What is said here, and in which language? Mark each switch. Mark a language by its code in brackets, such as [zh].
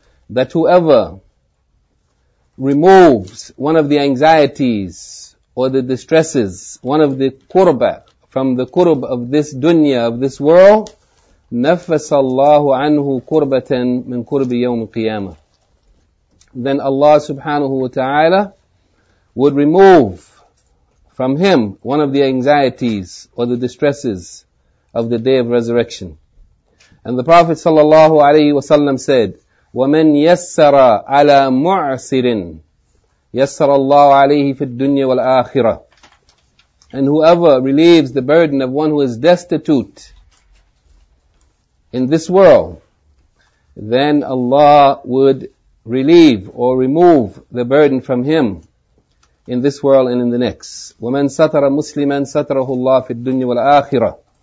[en] That whoever removes one of the anxieties or the distresses, one of the qurba, from the qurb of this dunya, of this world, [ar] نَفَّسَ اللَّهُ عَنْهُ قُرْبَةً مِنْ قُرْبِ يَوْمِ الْقِيَامَةِ. [en] Then Allah subhanahu wa ta'ala would remove from him one of the anxieties or the distresses of the day of resurrection. And the Prophet sallallahu alayhi wa sallam said, [ar] وَمَنْ يَسَّرَ عَلَى مُعْسِرٍ يَسَّرَ اللَّهُ عَلَيْهِ فِي الدُّنْيَا وَالْآخِرَةِ. [en] And whoever relieves the burden of one who is destitute in this world, then Allah would relieve or remove the burden from him in this world and in the next. [ar] وَمَنْ سَتَرَ مُسْلِمًا سَتَرَهُ اللَّهُ فِي الدُّنْيَا وَالْآخِرَةِ.